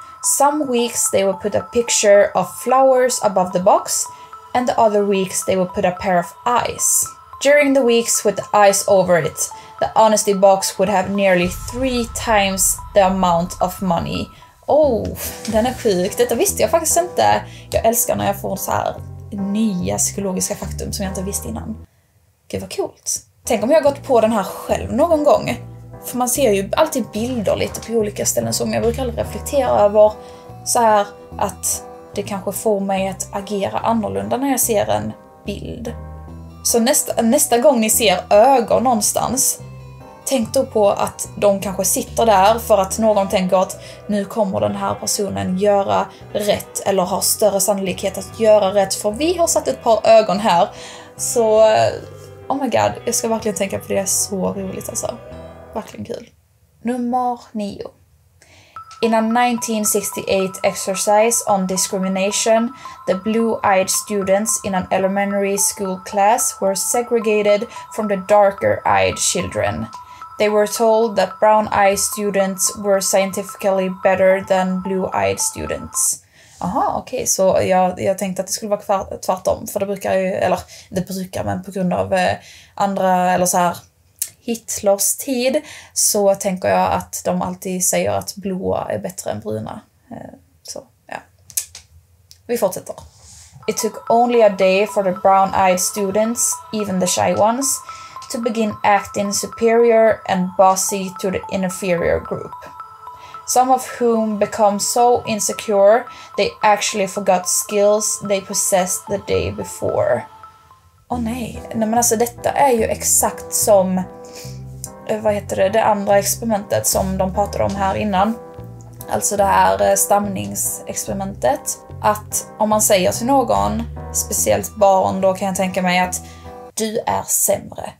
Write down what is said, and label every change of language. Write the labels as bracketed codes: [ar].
[en] Some weeks, they would put a picture of flowers above the box, and the other weeks they would put a pair of eyes. During the weeks with the eyes over it, the honesty box would have nearly 3 times the amount of money. [sv] Oh, den är sjuk. Detta visste jag faktiskt inte. Jag älskar när jag får så här nya psykologiska faktum som jag inte visste innan. Gud vad coolt. Tänk om jag har gått på den här själv någon gång. För man ser ju alltid bilder lite på olika ställen som jag brukar reflektera över. Så här att... Det kanske får mig att agera annorlunda när jag ser en bild. Så nästa gång ni ser ögon någonstans, tänk då på att de kanske sitter där för att någon tänker att nu kommer den här personen göra rätt eller har större sannolikhet att göra rätt, för vi har satt ett par ögon här. Så, [en] oh my god, [sv] jag ska verkligen tänka på det. Det är så roligt alltså. Verkligen kul. Nummer 9. [en] In a 1968 exercise on discrimination, the blue-eyed students in an elementary school class were segregated from the darker-eyed children. They were told that brown-eyed students were scientifically better than blue-eyed students. [sv] Aha, okej, så jag tänkte att det skulle vara tvärtom, för det brukar ju, eller det brukar, men på grund av andra, eller så här, Hitlers tid, så tänker jag att de alltid säger att blåa är bättre än bruna. Så, ja. Vi fortsätter. [en] It took only a day for the brown-eyed students, even the shy ones, to begin acting superior and bossy to the inferior group. Some of whom become so insecure, they actually forgot skills they possessed the day before. [sv] Åh nej. Nej, men alltså detta är ju exakt som, vad heter det, det andra experimentet som de pratade om här innan. Alltså det här stamningsexperimentet. Att om man säger till någon, speciellt barn, då kan jag tänka mig att du är sämre.